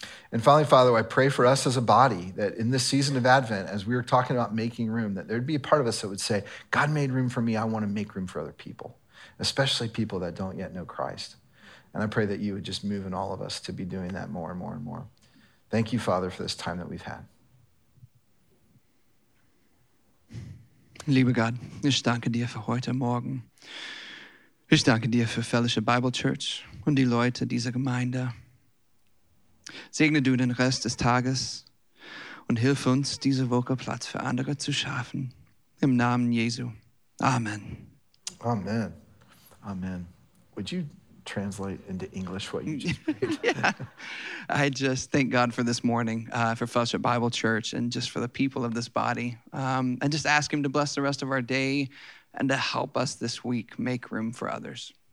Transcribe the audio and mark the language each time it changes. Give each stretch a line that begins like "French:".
English: And finally, Father, I pray for us as a body that in this season of Advent, as we were talking about making room, that there'd be a part of us that would say, God made room for me. I want to make room for other people, especially people that don't yet know Christ. And I pray that you would just move in all of us to be doing that more and more and more. Thank you, Father, for this time that we've had.
German: Lieber Gott, ich danke dir für heute Morgen. Ich danke dir für Fellowship Bible Church und die Leute dieser Gemeinde. Segne du den Rest des Tages und hilf uns, diese Woche Platz für andere zu schaffen. Im Namen Jesu. Amen. Amen. Amen.
English: Would you translate into English what you just prayed? Yeah. I just thank God for this morning, for Fellowship Bible Church, and just for the people of this body. And just ask him to bless the rest of our day and to help us this week make room for others.